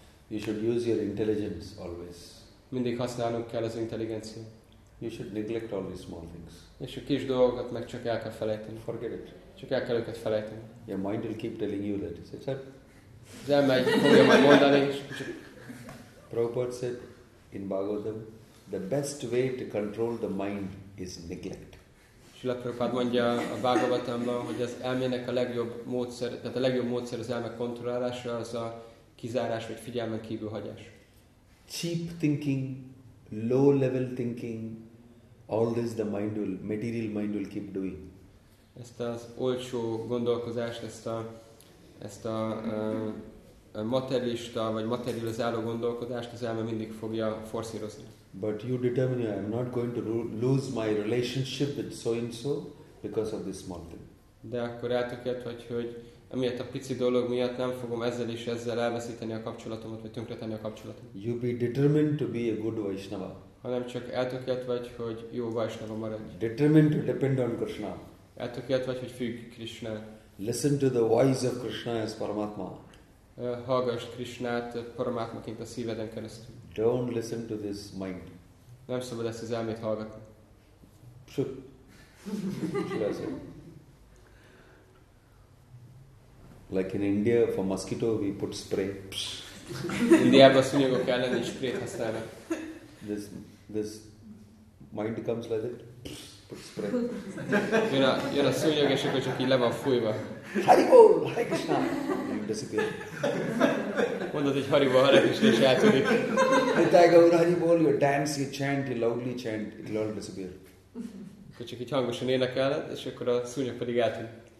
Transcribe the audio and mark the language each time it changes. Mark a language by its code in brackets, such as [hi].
[en] You should use your intelligence always. [hu] Mindig használnunk kell az intelligenciát. [en] You should neglect all these small things. [hu] És a kis dolgokat meg csak el kell felejteni. [en] Forget it. [hu] Csak el kell őket felejteni. [en] Your mind will keep telling you that. It's a... [hu] Az elmegy, fogja majd mondani. [en] Prabhupada said in Bhagavatam, the best way to control the mind is neglect. [hu] Srila Prabhupada mondja a Bhagavatamban, hogy az elmének a legjobb módszer, tehát a legjobb módszer az elme kontrollálása, az a kizárás vagy figyelmen kívülhagyás. [en] Cheap thinking, low level thinking, all this the mind will, material mind will keep doing. [hu] Ezt az olcsó gondolkozást, ezt a materialista vagy materializáló gondolkodást az elme mindig fogja forszírozni. [en] But you determine, I am not going to lose my relationship with so and so because of this small thing. [hu] De akkor eltökélt, hogy emiatt a pici dolog miatt nem fogom ezzel és ezzel elveszíteni a kapcsolatomat, vagy tönkretenni a kapcsolatot. [en] You be determined to be a good Vaishnava. [hu] Hanem csak eltökélt vagy, hogy jó Vaishnava maradj. [en] Determined to depend on Krishna. [hu] Eltökélt vagy, hogy függ Krishna. [en] Listen to the voice of Krishna as Paramatma. [hu] Hallgass Krishnát Paramatmaként a szíveden keresztül. [en] Don't listen to this mind. [hu] Nem szabad ezt az elmét hallgatni. [en] Like in India, for mosquito we put spray. [hu] Indiában szúnyogok ellen is sprayt használnak. [en] This mind comes like that. Put spray. [hu] Jön a szúnyog, és akkor csak így le van fújva. [en] Haribol! Hare Krishna! Disappear. [hu] Mondod, hogy Haribol, Hare Krishna, és eltűnik. [en] I tag over Haribol, you dance, you chant, you loudly chant, it will all disappear. [hu] Akkor csak így hangosan énekel, és akkor a szúnyog pedig eltűnik.